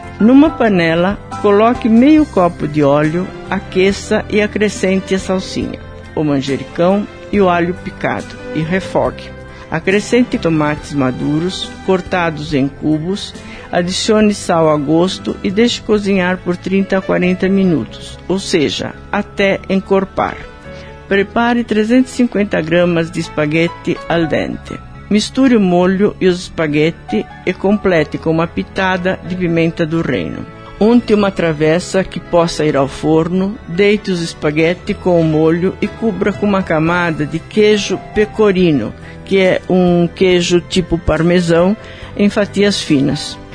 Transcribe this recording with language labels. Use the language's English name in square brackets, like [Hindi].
[Portuguese] Numa panela, coloque meio copo de óleo, aqueça e acrescente a salsinha, o manjericão e o alho picado e refogue. Acrescente tomates maduros, cortados em cubos, adicione sal a gosto e deixe cozinhar por 30 a 40 minutos, ou seja, até encorpar. [Italian] Prepare 350 g di spaghetti al dente. [Portuguese] Misture o molho e os spaghetti e complete com uma pitada de pimenta do reino. Unte uma travessa que possa ir ao forno, deite os spaghetti com o molho e cubra com uma camada de queijo pecorino, que é um queijo tipo parmesão, em fatias finas.